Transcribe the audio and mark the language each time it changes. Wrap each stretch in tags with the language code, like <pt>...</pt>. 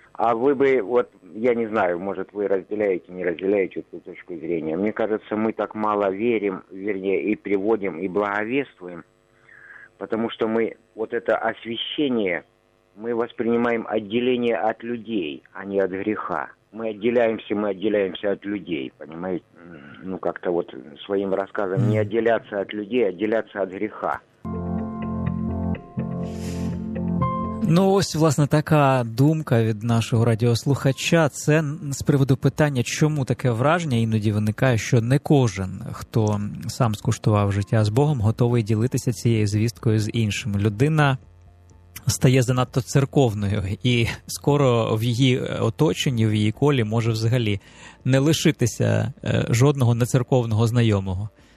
<uk>А ви би, я не знаю, може ви розділяєте, не розділяєте цю точку зрення. Мені кажеться, ми так мало віримо, і приводимо, і благовествуємо.</uk> <ru>Потому что мы, вот это освящение, мы воспринимаем отделение от людей, а не от греха. Мы отделяемся от людей, понимаете? Ну, как-то вот своим рассказом не отделяться от людей, а отделяться от греха.</ru> <uk>Ну, ось, власне, така думка від нашого радіослухача. Це з приводу питання, чому таке враження іноді виникає, що не кожен, хто сам скуштував життя з Богом, готовий ділитися цією звісткою з іншими. Людина стає занадто церковною, і скоро в її оточенні, в її колі може взагалі не лишитися жодного нецерковного знайомого.</uk>